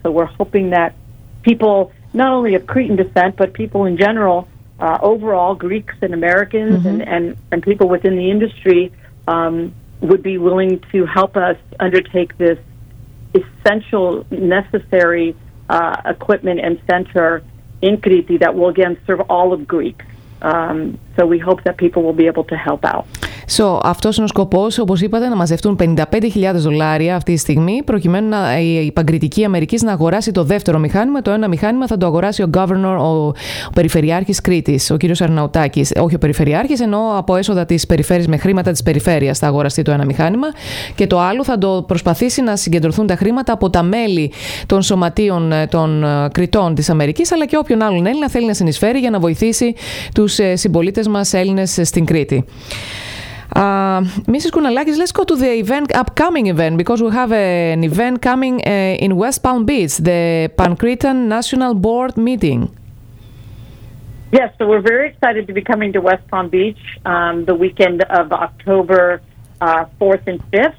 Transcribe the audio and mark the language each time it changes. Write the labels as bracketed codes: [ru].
[en] So we're hoping that people, not only of Cretan descent, but people in general, overall, Greeks and Americans and people within the industry, would be willing to help us undertake this essential, necessary equipment and center in Crete that will again serve all of Greece. So we hope that people will be able to help out. [el] So, αυτός είναι ο σκοπός, όπως είπατε, να μαζευτούν $55,000 αυτή τη στιγμή, προκειμένου να, η Παγκριτική Αμερικής να αγοράσει το δεύτερο μηχάνημα. Το ένα μηχάνημα θα το αγοράσει ο governor, ο περιφερειάρχης Κρήτης, ο κύριος Αρναουτάκης. Όχι ο περιφερειάρχης, ενώ από έσοδα της περιφέρειας με χρήματα της περιφέρειας θα αγοραστεί το ένα μηχάνημα. Και το άλλο θα το προσπαθήσει να συγκεντρωθούν τα χρήματα από τα μέλη των σωματείων των Κρητών της Αμερικής, αλλά και όποιον άλλον Έλληνα θέλει να συνεισφέρει για να βοηθήσει τους συμπολίτες μας Έλληνες στην Κρήτη. [en] Mrs. Kounalakis, let's go to the event, upcoming event, because we have an event coming in West Palm Beach, the Pancretan National Board meeting. Yes, so we're very excited to be coming to West Palm Beach the weekend of October 4th and 5th.